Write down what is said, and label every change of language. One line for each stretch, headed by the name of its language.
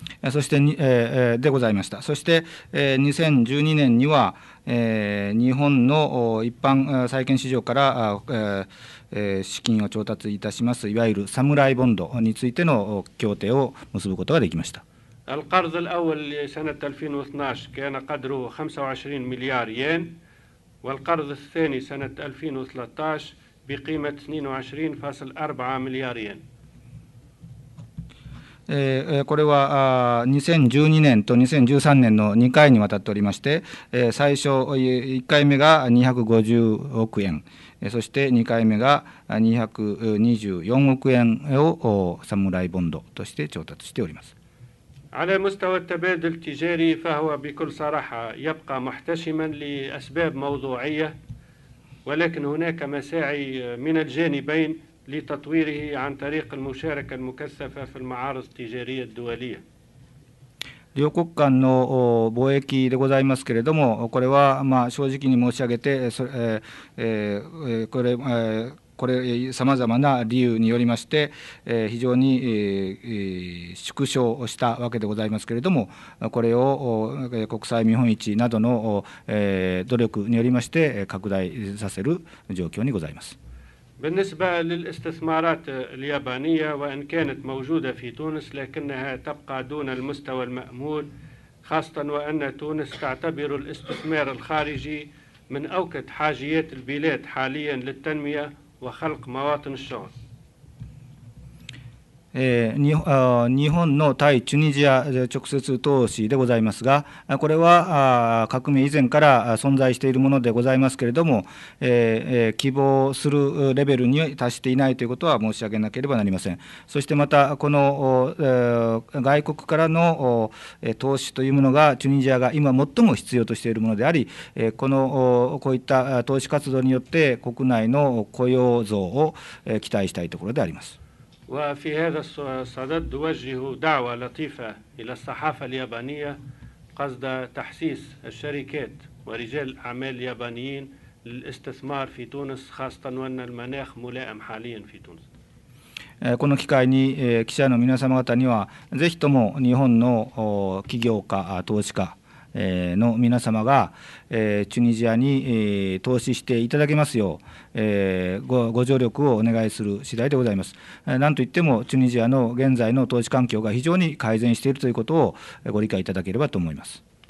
Japanese: そしてでございました。そして2012年には日本の一般債券市場から資金を調達いたします、いわゆるサムライボンドについての協定を結ぶことができました。
Arabic: القرض الأول سنة 2012 كان قدره 25 مليار ين والقرض الثاني سنة 2013 بقيمة 22.4 مليار ين。
Japanese: これは2012年と2013年の2回にわたっておりまして、最初1回目が250億円、そして2回目が224億円をサムライボンドとして調達しております。
Arabic: على مستوى التبادل التجاري فهو بكل صراحة يبقى محتشما لأسباب موضوعية ولكن هناك مساعي من الجانبين لتطويره عن طريق المشاركة المكثفة في المعارض التجارية الدولية。
Japanese: 両国間の貿易でございますけれども、これはまあ正直に申し上げて、これさまざまな理由によりまして、非常に縮小したわけでございますけれども、これを国際見本市などの努力によりまして、拡大させる状況にございます。
Arabic: بالنسبة للاستثمارات اليابانية وإن كانت موجودة في تونس لكنها تبقى دون المستوى المأمول خاصة وأن تونس تعتبر الاستثمار الخارجي من أوكد حاجيات البلاد حاليا للتنمية وخلق مواطن الشغل。
Japanese: 日本の対チュニジア直接投資でございますが、これは革命以前から存在しているものでございますけれども、希望するレベルに達していないということは申し上げなければなりません。そしてまた、この外国からの投資というものがチュニジアが今最も必要としているものであり、こういった投資活動によって国内の雇用増を期待したいところであります。
Arabic: وفي هذا الصدد أوجه دعوة لطيفة إلى الصحافة اليابانية قصد تحسيس الشركات ورجال الأعمال اليابانيين للاستثمار في تونس خاصة وأن المناخ ملائم حاليا في تونس。
Japanese: この機会に記者の皆様方にはぜひとも日本の企業家投資家の皆様がチュニジアに投資していただけますようご助力をお願いする次第でございます。なんといってもチュニジアの現在の投資環境が非常に改善しているということをご理解いただければと思います。